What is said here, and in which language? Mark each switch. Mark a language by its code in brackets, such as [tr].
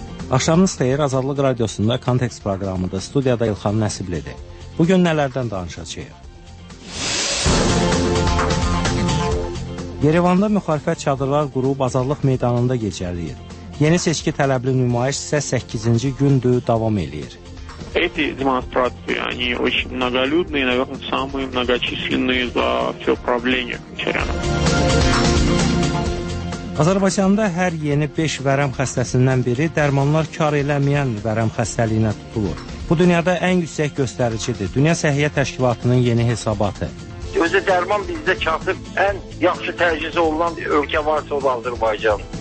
[az] Axşamınız xeyir, Azadlıq Radiosunda Kontekst proqramında studiyada İlxan Nəsiblidir. Bugün nələrdən danışacağıq? Yerevanda müxalifət çadırlar qurub Azadlıq meydanında gecələyir. Yeni seçki tələbli nümayiş isə 8-ci gündür davam edir. [ru] Эти демонстрации, они очень многолюдные, наверное, самые многочисленные за все правление Кучеряна. [az] Azərbaycanda hər yeni 5 vərəm xəstəsindən biri dərmanlar kar eləməyən vərəm xəstəliyinə tutulur. Bu dünyada ən yüksək göstəricidir. Dünya Səhiyyə Təşkilatının yeni hesabatı. Özü dərman bizdə çatıb, ən yaxşı təchiz olunan ölkə varsa o da Azərbaycan.